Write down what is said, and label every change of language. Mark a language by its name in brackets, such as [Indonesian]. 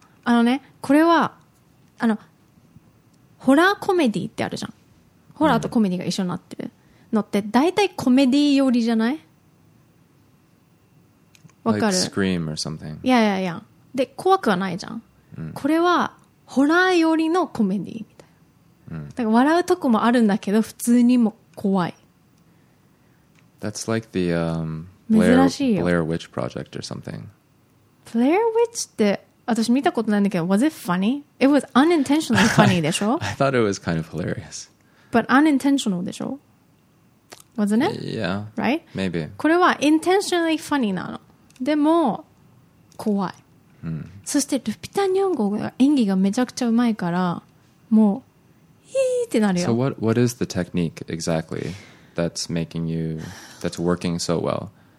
[Japanese] あのね、これはあのホラーコメディってあるじゃん、ホラーとコメディが一緒になってるのって、だいたいコメディ寄りじゃない？わかる？ [English] Like Scream or something. [Japanese] いやいやいや、で怖くはないじゃん、これはホラー寄りのコメディみたいな、だから笑うとこもあるんだけど普通にも怖い。 [English] That's like the Blair Witch Project or something. [Japanese] Blair Witch って私見たことないんだけど、 [English] Was it funny? It was unintentionally funny [Japanese] でしょ。 [English] I thought it was kind of hilarious. But unintentional [Japanese] でしょ。 [English] Wasn't it? Yeah. Right? Maybe. [Japanese] これは [English] intentionally funny [Japanese] なの。でも怖い。そしてルピタニョンゴが演技がめちゃくちゃうまいから、もうヒーってなるよ。 [English] So what is the technique exactly that's making you, that's working so well?